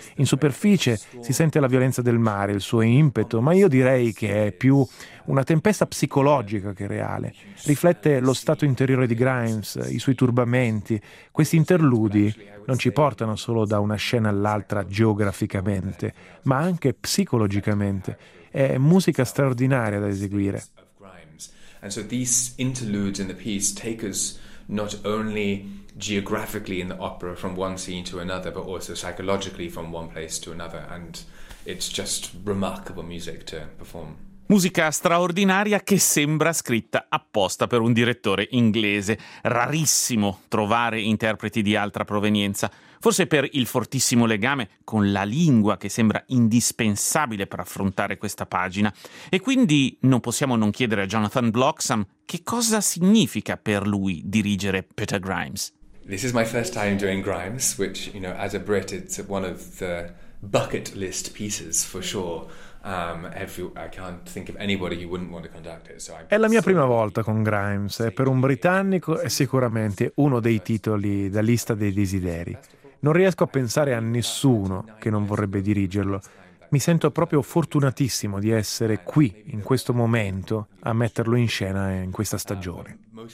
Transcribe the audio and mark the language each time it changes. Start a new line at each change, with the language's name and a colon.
Italian: In superficie si sente la violenza del mare, il suo impeto, ma io direi che è più una tempesta psicologica che reale. Riflette lo stato interiore di Grimes, i suoi turbamenti. Questi interludi non ci portano solo da una scena all'altra geograficamente, ma anche psicologicamente. È musica straordinaria da eseguire.
English: And so these interludes in the piece take us not only geographically in the opera from one scene to another, but also psychologically from one place to another, and it's just remarkable music to perform.
Italian: Musica straordinaria che sembra scritta apposta per un direttore inglese. Rarissimo trovare interpreti di altra provenienza, forse per il fortissimo legame con la lingua che sembra indispensabile per affrontare questa pagina. E quindi non possiamo non chiedere a Jonathan Bloxam che cosa significa per lui dirigere Peter Grimes.
English: This is my first time doing Grimes, which, you know, as a Brit, it's one of the bucket list pieces for sure. I can't think of anybody who wouldn't want to conduct it.
Italian: È la mia prima volta con Grimes, e per un britannico è sicuramente uno dei titoli da lista dei desideri. Non riesco a pensare a nessuno che non vorrebbe dirigerlo. Mi sento proprio fortunatissimo di essere qui, in questo momento, a metterlo in scena in questa stagione.